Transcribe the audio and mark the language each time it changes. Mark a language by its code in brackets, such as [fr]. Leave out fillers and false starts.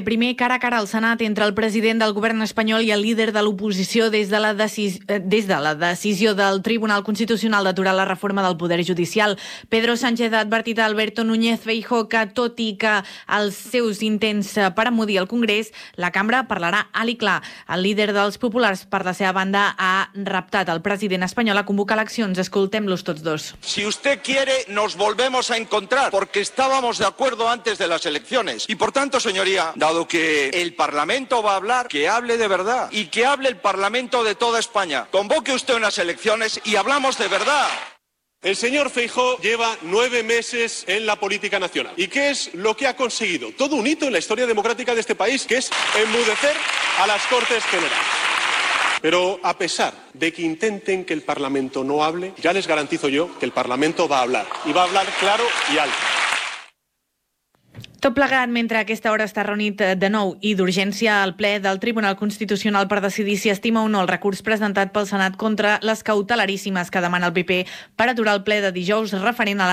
[ca] Primer, cara a cara al Senat entre el president del govern espanyol i el líder de l'oposició des de la decisió del Tribunal Constitucional d'aturar la reforma del poder judicial. Pedro Sánchez ha advertit a Alberto Núñez Feijóo que, tot i que els seus intents per amudir el Congrés, la cambra parlarà alt i clar. El líder dels populars, per la seva banda, ha reptat el president espanyol a convocar eleccions. Escoltem-los tots dos. [es] Si usted quiere, nos volvemos a encontrar, porque estábamos de acuerdo antes de las elecciones. Y por tanto, señoría, dado que el Parlamento va a hablar, que hable de verdad y que hable el Parlamento de toda España. Convoque usted unas elecciones y hablamos de verdad. El señor Feijóo lleva 9 meses en la política nacional. ¿Y qué es lo que ha conseguido? Todo un hito en la historia democrática de este país, que es enmudecer a las Cortes Generales. Pero a pesar de que intenten que el Parlamento no hable, ya les garantizo yo que el Parlamento va a hablar. Y va a hablar claro y alto. [ca] Tot plegat mentre aquesta hora està reunit de nou i d'urgència al ple del Tribunal Constitucional per decidir si estima o no el recurs presentat pel Senat contra les cautelaríssimes que demana el PP per aturar el ple de dijous referent a la